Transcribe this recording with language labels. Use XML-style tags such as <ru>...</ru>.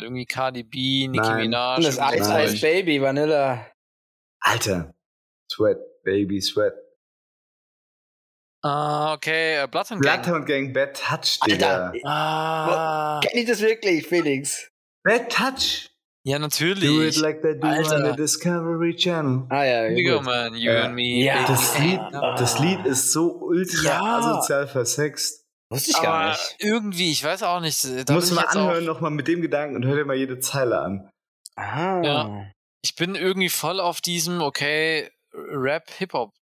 <de>Irgendwie Cardi B, Nicki Minaj. Das Ice Ice Baby, Vanilla. Alter. Sweat, Baby, Sweat. Okay, Bloodhound Gang, Bad Touch, Digga. Kenn ich das wirklich, Felix? Bad Touch? Ja, natürlich.</de> <en>Do it like they do on the Discovery Channel.</en> <de>Ah ja,</de> <en>Digga, man, you and me.</en> <de>Ja. Das Lied ist so ultra asozial versext. Wusste ich gar nicht. Irgendwie, ich weiß auch nicht. Muss man anhören nochmal mit dem Gedanken und hör dir mal jede Zeile an. Ah. Ja. Ich bin irgendwie voll auf diesem, okay, Rap-Hip-Hop.</de>